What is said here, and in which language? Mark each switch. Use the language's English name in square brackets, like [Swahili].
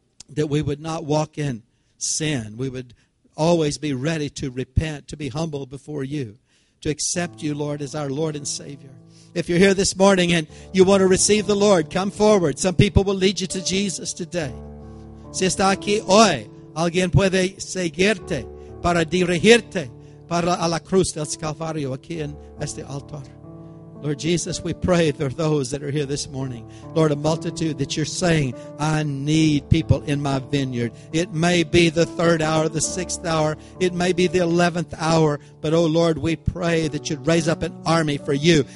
[English] That we would not walk in sin. We would always be ready to repent, to be humble before you, to accept you, Lord, as our Lord and Savior. If you're here this morning and you want to receive the Lord, come forward. Some people will lead you to Jesus today. [Spanish] Si está aquí hoy, alguien puede seguirte para dirigirte para a la cruz del Calvario aquí en este altar. [English] Lord Jesus, we pray for those that are here this morning. Lord, a multitude that you're saying, I need people in my vineyard. It may be the third hour, the sixth hour. It may be the 11th hour. But, oh Lord, we pray that you'd raise up an army for you.